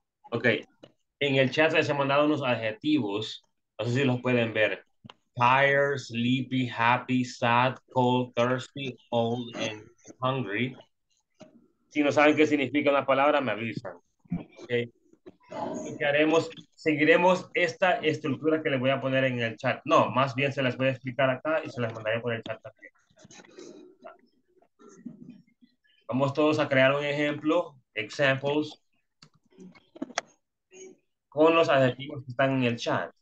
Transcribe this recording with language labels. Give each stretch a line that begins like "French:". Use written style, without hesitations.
Spanish: Okay, en el chat les he mandado unos adjetivos, no sé si los pueden ver.
English: Tired, sleepy, happy, sad, cold, thirsty, old, and hungry.
Spanish: Si no saben qué significa una palabra, me avisan. Okay. Y que haremos, seguiremos esta estructura que les voy a poner en el chat. No, más bien se las voy a explicar acá y se las mandaré por el chat también. Vamos todos a crear un ejemplo, examples, con los adjetivos que están en el chat.